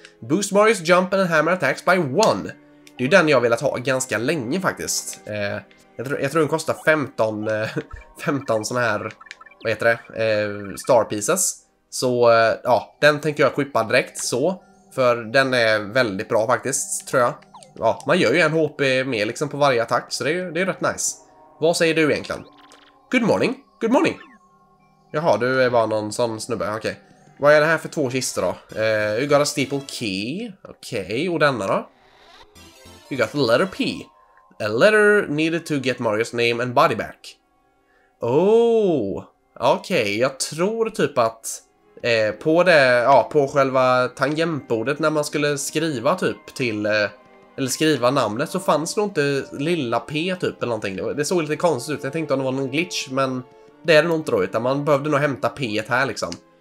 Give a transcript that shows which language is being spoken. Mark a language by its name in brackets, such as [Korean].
[English] Boost Mario's Jump and Hammer Attacks by 1. [Swedish] Det är ju den jag vill ha ganska länge faktiskt. Jag tror den kostar 15 såna här, vad heter det, Star Pieces. Så ja, den tänker jag equippa direkt så. För den är väldigt bra faktiskt, tror jag. Ja, man gör ju en HP mer liksom på varje attack, så det är rätt nice. Vad säger du egentligen? [English] Good morning, good morning. [Swedish] Jaha, du är bara någon sån snubbe, okej. Okay. Vad är det här för två kistor då? [English] You got a steeple key, okej. Okay. [Swedish] Och denna då? [English] You got the letter P. A letter needed to get Mario's name and body back. Oh, okej. [Swedish] Okay. Jag tror typ att på det, ja, på själva tangentbordet när man skulle skriva typ till eller skriva namnet, så fanns det inte lilla P typ eller någonting. Det såg lite konstigt ut. Jag tänkte att det var någon glitch, men det är det nog inte då, utan man behövde nog hämta P här liksom.